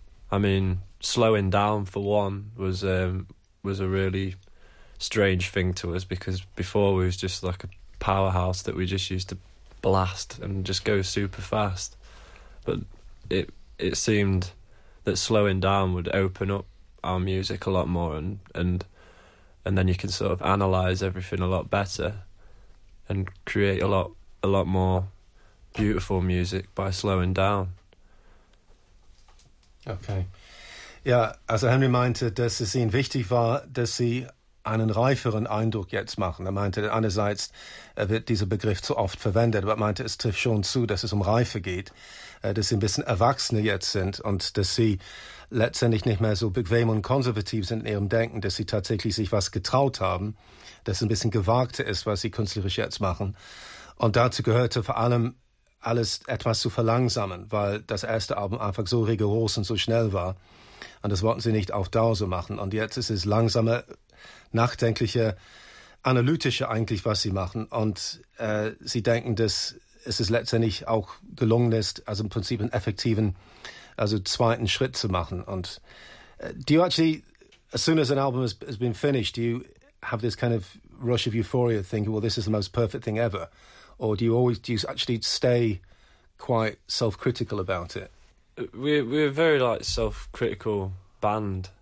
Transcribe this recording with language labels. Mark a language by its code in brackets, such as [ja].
[en] I mean, slowing down, for one, was a really strange thing to us, because before we was just like a powerhouse that we just used to blast and just go super fast, but it seemed that slowing down would open up our music a lot more, and then you can sort of analyze everything a lot better and create a lot more beautiful music by slowing down. Okay. [de] Ja, also Henry meinte, dass es ihnen wichtig war, dass sie einen reiferen Eindruck jetzt machen. Er meinte, einerseits wird dieser Begriff zu oft verwendet, aber er meinte, es trifft schon zu, dass es um Reife geht, dass sie ein bisschen erwachsener jetzt sind und dass sie letztendlich nicht mehr so bequem und konservativ sind in ihrem Denken, dass sie tatsächlich sich was getraut haben, dass es ein bisschen gewagter ist, was sie künstlerisch jetzt machen. Und dazu gehörte vor allem, alles etwas zu verlangsamen, weil das erste Album einfach so rigoros und so schnell war. Und das wollten sie nicht auf Dauer so machen. Und jetzt ist es langsame, nachdenkliche, analytische eigentlich, was sie machen. Und sie denken, dass es ist letztendlich auch gelungen ist, also im Prinzip einen effektiven, also zweiten Schritt zu machen. [en] Und do you actually, as soon as an album has been finished, do you have this kind of rush of euphoria, thinking, well, this is the most perfect thing ever? Or do you actually stay quite self-critical about it? We're a very like self-critical band.